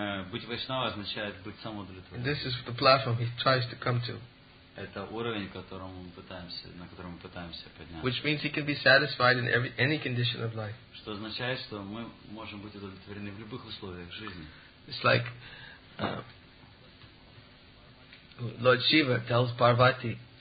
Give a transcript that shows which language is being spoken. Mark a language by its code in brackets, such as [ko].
[ru] Быть вайшнава означает быть самоудовлетворенным. [en] This is the platform he tries to come to. [ru] Это уровень, на котором мы пытаемся подняться. [en] Which means he can be satisfied in any condition of life. [ru] Что означает, что мы можем быть удовлетворены в любых условиях жизни. [en] It's like Lord Shiva tells Parvati.